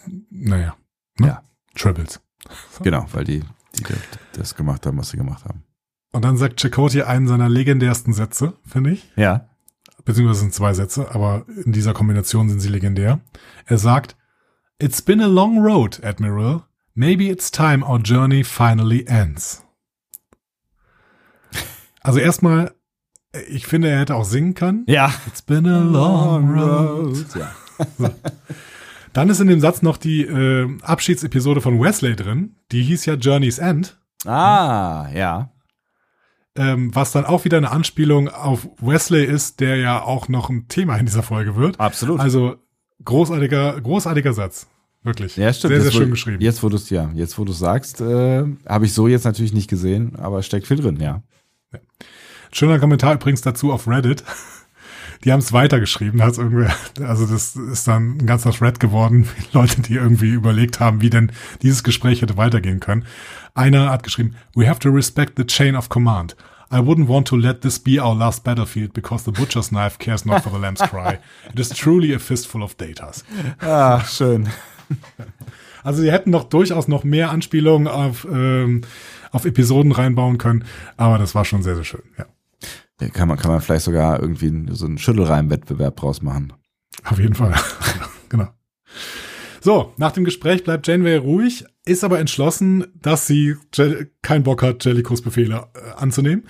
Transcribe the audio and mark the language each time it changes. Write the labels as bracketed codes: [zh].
[de] ne? Ja. Tribbles. Genau, weil die das gemacht haben, was sie gemacht haben. Und dann sagt Chakotay einen seiner legendärsten Sätze, finde ich. Ja. Beziehungsweise sind zwei Sätze, aber in dieser Kombination sind sie legendär. Er sagt, [en] "It's been a long road, Admiral. Maybe it's time our journey finally ends." [de] Also erstmal, ich finde, er hätte auch singen können. Ja. [en] "It's been a long road." [de] Ja. Dann ist in dem Satz noch die Abschiedsepisode von Wesley drin. Die hieß ja Journey's End. Ah, ja. Was dann auch wieder eine Anspielung auf Wesley ist, der ja auch noch ein Thema in dieser Folge wird. Absolut. Also großartiger Satz. Wirklich. Ja, stimmt. Sehr, sehr schön geschrieben. Jetzt, wo du es sagst, habe ich so jetzt natürlich nicht gesehen, aber steckt viel drin, ja. Schöner Kommentar übrigens dazu auf Reddit. Die haben es weitergeschrieben, hat es irgendwie, also das ist dann ein ganzer Thread geworden, Leute, die irgendwie überlegt haben, wie denn dieses Gespräch hätte weitergehen können. Einer hat geschrieben, [en] "We have to respect the chain of command. I wouldn't want to let this be our last battlefield because the butcher's knife cares not for the lamb's cry. It is truly a fistful of datas." [de] Ah, schön. Also sie hätten doch durchaus noch mehr Anspielungen auf Episoden reinbauen können, aber das war schon sehr, sehr schön, ja. Kann man vielleicht sogar irgendwie so einen Schüttelreim-Wettbewerb draus machen. Auf jeden Fall, genau. So, nach dem Gespräch bleibt Janeway ruhig, ist aber entschlossen, dass sie keinen Bock hat, Jellicoes Befehle anzunehmen.